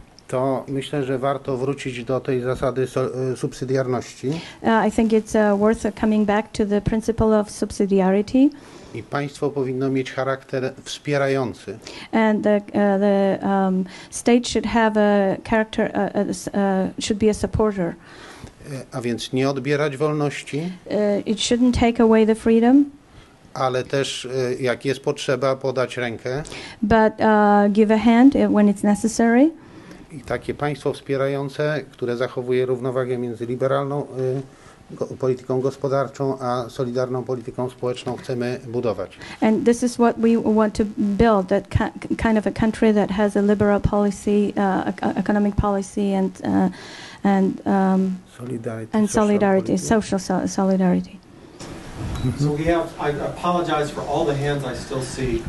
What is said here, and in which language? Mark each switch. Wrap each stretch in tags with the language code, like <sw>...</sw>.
<pl>to myślę, że warto wrócić do tej zasady subsydiarności.</pl> <en>I think it's worth coming back to the principle of subsidiarity.</en> <pl>I państwo powinno mieć charakter wspierający.</pl> <en>And the state should have a character, should be a supporter.</en> <pl>A więc nie odbierać wolności.</pl> <en>It shouldn't take away the freedom.</en> <pl>Ale też, jak jest potrzeba, podać rękę.</pl> <en>But give a hand when it's necessary.</en> <pl>I takie państwo wspierające, które zachowuje równowagę między liberalną polityką gospodarczą a solidarną polityką społeczną chcemy budować.</pl> <en>And this is what we want to build, that kind of a country that has a liberal policy, economic policy and solidarity, social solidarity. Mm-hmm. So I apologize for all the hands I still see.</en>